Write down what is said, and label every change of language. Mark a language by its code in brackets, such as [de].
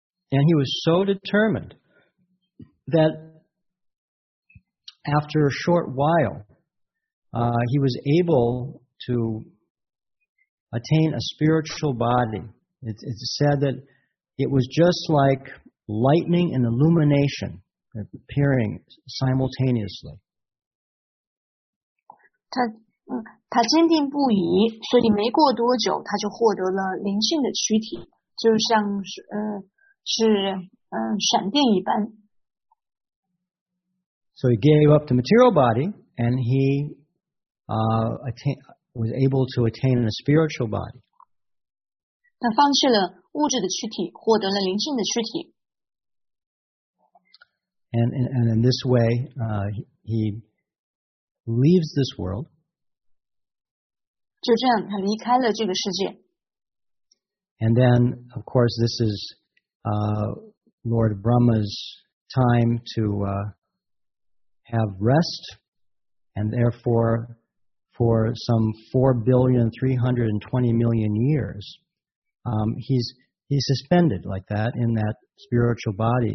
[en] And he was so determined that after a short while, he was able to attain a spiritual body. It's said that it was just like lightning and illumination appearing simultaneously. [zh] 他坚定不移，所以没过多久他就获得了灵性的躯体，就像闪电一般。 [en] So he gave up the material body and he, was able to attain a spiritual body. [zh] 他放弃了物质的躯体，获得了灵性的躯体。 [en] And in this way, he leaves this world. [zh] 就这样，他离开了这个世界。 [en] And then, of course, this is, Lord Brahma's time to have rest, and therefore for some 4,320,000,000 years, he's suspended like that in that spiritual body.